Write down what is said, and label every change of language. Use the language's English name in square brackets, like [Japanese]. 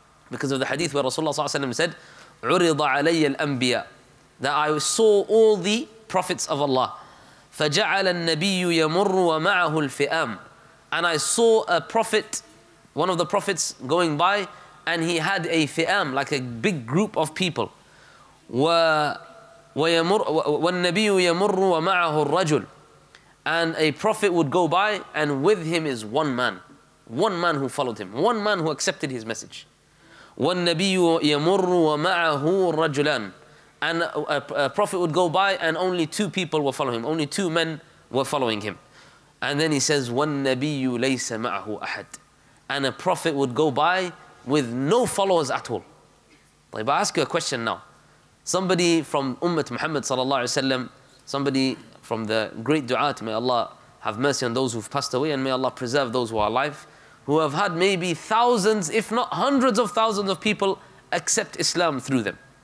[English] Because of the hadith where Rasulullah sallallahu alayhi wa sallam said, [Arabic] عُرِضَ عَلَيَّ الْأَنْبِيَا. [English] That I saw all the prophets of Allah. [Arabic] فَجَعَلَ النَّبِيُّ يَمُرُّ وَمَعَهُ الْفِئَامُ. [English] And I saw a prophet, one of the prophets going by, and he had a fi'am, like a big group of people. [Arabic] ويمر والنبي يمر ومعه الرجل. [English] And a prophet would go by, and with him is one man who followed him, one man who accepted his message. [Arabic] والنبي يمر ومعه رجلان. [English] And a prophet would go by, and only two people were following him. Only two men were following him. And then he says, [Arabic] والنبي ليس معه أحد. [English] And a prophet would go by with no followers at all. طيب, I ask you a question now. Somebody from Ummat Muhammad صلى الله عليه وسلم, somebody from the great du'at, may Allah have mercy on those who've passed away, and may Allah preserve those who are alive, who have had maybe thousands, if not hundreds of thousands of people accept Islam through them.